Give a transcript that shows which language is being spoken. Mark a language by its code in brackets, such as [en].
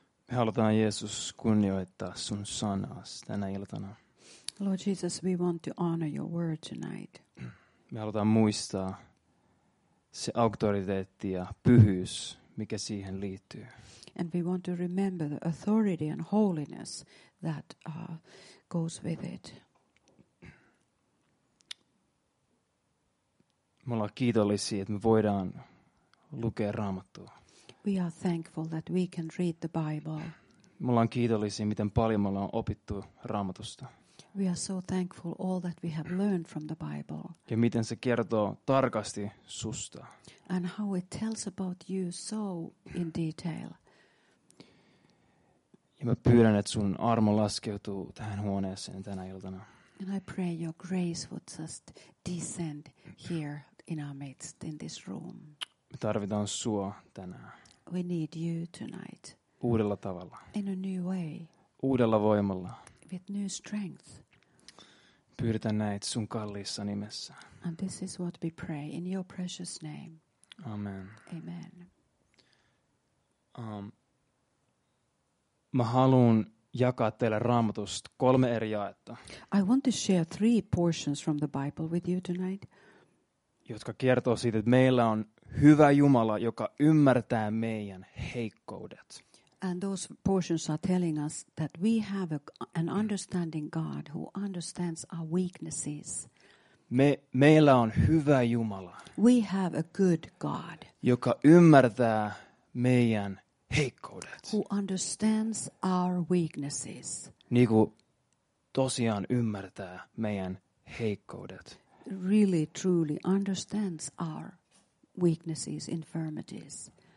[fi] Me halutaan Jeesus kunnioittaa sun sanasi tänä iltana. [en] Lord Jesus, we want to honor your word tonight. [fi] Me halutaan muistaa se auktoriteetti ja pyhyys, mikä siihen liittyy. [en] And we want to remember the authority and holiness that goes with it. [fi] Me ollaan kiitollisia, että me voidaan lukea Raamattua. [en] We are thankful that we can read the Bible. [fi] Me ollaan kiitollisia, miten paljon me ollaan opittu Raamatusta. [en] We are so thankful all that we have learned from the Bible. [fi] Ja miten se kertoo tarkasti susta. [en] And how it tells about you so in detail. [fi] Ja mä pyydän, että sun armo laskeutuu tähän huoneeseen tänä iltana. [en] And I pray your grace would just descend here in our midst, in this room. [fi] Me tarvitaan sua tänään. [en] We need you tonight. [fi] Uudella tavalla. [en] In a new way. [fi] Uudella voimalla. [en] With new strength. [fi] Pyydetään näitä sun kalliissa nimessä. [en] And this is what we pray in your precious name. [fi] Amen. [en] Amen. [fi] Mä haluun jakaa teille Raamatusta kolme eri jaetta. [en] I want to share three portions from the Bible with you tonight. [fi] Jotka kertoo siitä, että meillä on hyvä Jumala, joka ymmärtää meidän heikkoudet. [en] And those portions are telling us that we have an understanding God who understands our weaknesses. [fi] Meillä on hyvä Jumala. [en] We have a good God. [fi] Joka ymmärtää meidän heikkoudet. [en] Who understands our weaknesses. [fi] Niin kuin tosiaan ymmärtää meidän heikkoudet. [en] Really, truly understands our weaknesses, infirmities.